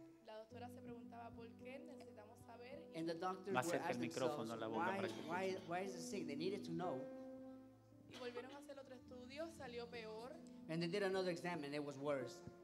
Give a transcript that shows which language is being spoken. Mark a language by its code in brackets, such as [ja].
[es] La doctora se preguntaba por qué necesitamos saber. [en] And the doctors were asking themselves, why is it sick? They needed to know. [es] Y volvieron a hacer otro estudio, salió peor. [en] And they did another exam, and it was worse.